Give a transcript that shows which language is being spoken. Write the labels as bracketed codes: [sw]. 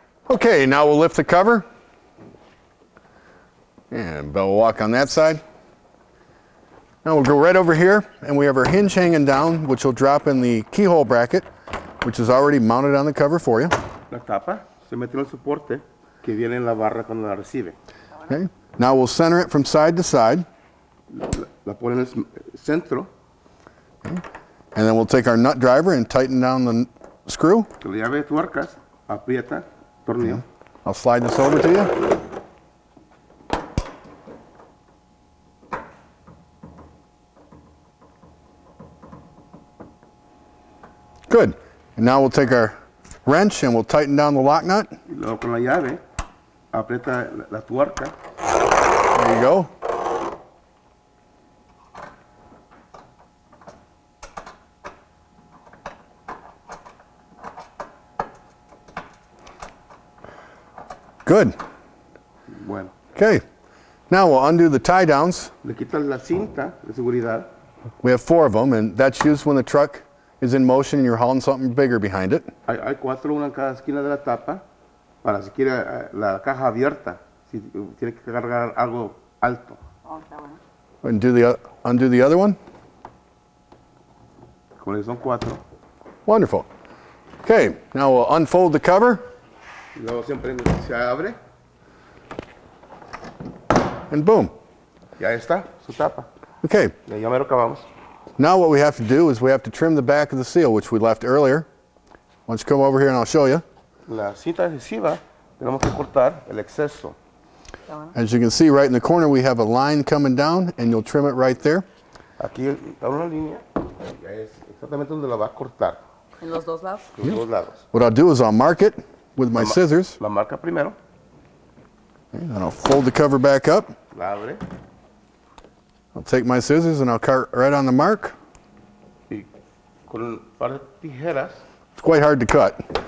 [en] Okay, now we'll lift the cover. And Belle will walk on that side. Now we'll go right over here, and we have our hinge hanging down, which will drop in the keyhole bracket, which is already mounted on the cover for you. [es] La tapa se mete en el soporte que viene en la barra cuando la recibe. [en] Okay, now we'll center it from side to side. [es] La pone en el centro. [en] Okay. And then we'll take our nut driver and tighten down the screw. [es] La llave de tuercas, aprieta, tornillo. [en] I'll slide this over to you. Good. And now we'll take our wrench and we'll tighten down the lock nut. [es] Luego con la llave, aprieta la tuerca. [en] There you go. Good. [es] Bueno. [en] Okay. Now we'll undo the tie downs. [es] Le quitas la cinta de seguridad. [en] We have four of them, and that's used when the truck is in motion and you're hauling something bigger behind it. [es] Hay cuatro, una en cada esquina de la tapa, para si quiere la caja abierta, si tiene que cargar algo alto. Oh, está bueno. [en] Undo the other one. [es] Como son cuatro. [en] Wonderful. Okay, now we'll unfold the cover. [es] Luego siempre se abre. [en] And boom. [es] Ya está, su tapa. [en] Okay. [es] Ya mero acabamos. [en] Now what we have to do is we have to trim the back of the seal, which we left earlier. Why don't you come over here and I'll show you. [es] La cinta adhesiva, tenemos que cortar el exceso. [en] As you can see right in the corner, we have a line coming down, and you'll trim it right there. [es] Aquí está una línea, es exactamente donde la va a cortar. En los dos lados. Yeah. Los dos lados. [en] What I'll do is I'll mark it with my scissors. [es] La marca primero. [en] Okay, and I'll fold the cover back up. [es] La abre. [en] I'll take my scissors and I'll cut right on the mark. [es] Y con un par de tijeras, [en] it's quite hard to cut.